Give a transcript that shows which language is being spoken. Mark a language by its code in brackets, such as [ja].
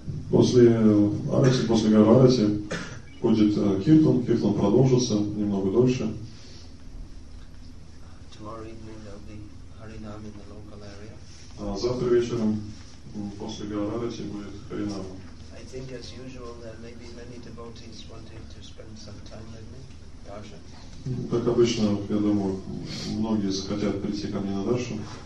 [ru] После арати, после гарарати, будет киртан, киртан продолжится немного дольше. [en] Tomorrow evening there'll be харинам in the local area. [ru] Завтра вечером после гарарати будет харинам. [en] I think as usual there may be many devotees wanting to spend some time with me. [ru] Даша. Как обычно, я думаю, многие захотят прийти ко мне на Дашу.